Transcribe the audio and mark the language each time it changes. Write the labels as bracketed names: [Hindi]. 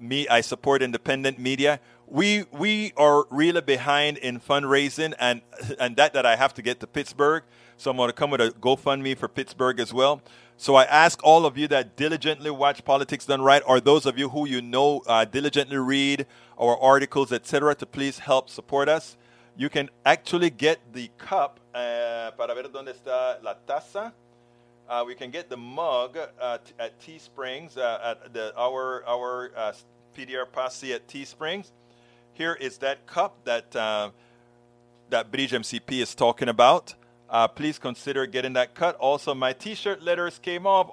[English] I support independent media. We are really behind in fundraising, and that I have to get to Pittsburgh. So I'm going to come with a GoFundMe for Pittsburgh as well. So I ask all of you that diligently watch Politics Done Right, or those of you who you know diligently read our articles, etc., to please help support us. You can actually get the cup. [Spanish] Para ver dónde está la taza. [English] We can get the mug at Teesprings, at our PDR Posse at Teesprings. Here is that cup that that Bridge MCP is talking about. Please consider getting that cut. Also, my T-shirt letters came off.